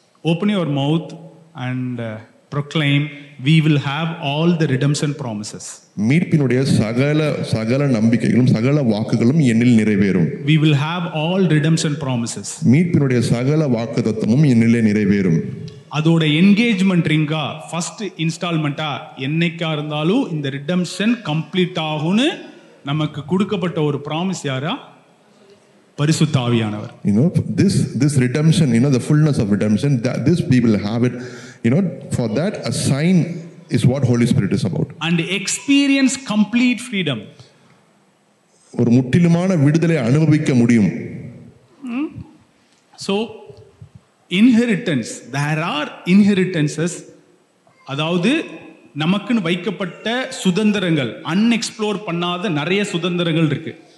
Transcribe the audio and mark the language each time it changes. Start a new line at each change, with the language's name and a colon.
English: Open your mouth and proclaim we will have all the redemption promises.
Tamil: மீட்பினுடைய சகல நம்பிக்கைகளும் சகல வாக்குகளும் என்னில் நிறைவேறும்.
English: We will have all redemption promises.
Tamil: மீட்பினுடைய சகல வாக்குத்தத்தமும் என்னிலே நிறைவேறும். அதோட என்கேஜ்மெண்ட் ரிங்கா ஃபர்ஸ்ட் இன்ஸ்டால்மெண்டா என்னைக்கா இருந்தாலும் இந்த ரிடெம்ஷன் கம்ப்ளீட் ஆகும்னு நமக்கு கொடுக்கப்பட்ட ஒரு ப்ராமிஸ் யாரா? பரிசுத்தாவியானவர்.
English: You know, this redemption, you know, the fullness of redemption, that this people have it, you know, for that a sign is what Holy Spirit is about. And experience complete freedom.
Tamil: ஒரு முற்றிலுமான விடுதலை அனுபவிக்க முடியும்.
English: So, inheritance, there are inheritances,
Tamil: அதாவது நமக்குன்னு வைக்கப்பட்ட சுதந்திரங்கள், unexplored பண்ணாத நிறைய சுதந்திரங்கள் இருக்கு.